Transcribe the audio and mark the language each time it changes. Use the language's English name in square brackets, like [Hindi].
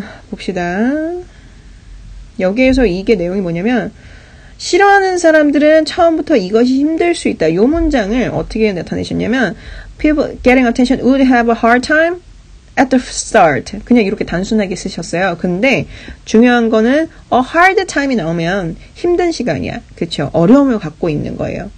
[Korean] 봅시다. 여기에서 이게 내용이 뭐냐면, 싫어하는 사람들은 처음부터 이것이 힘들 수 있다. 요 문장을 어떻게 나타내셨냐면, [English] people getting attention would have a hard time at the start. [Korean] 그냥 이렇게 단순하게 쓰셨어요. 근데 중요한 거는 [English] a hard time [Korean] 이 나오면 힘든 시간이야. 그렇죠? 어려움을 갖고 있는 거예요.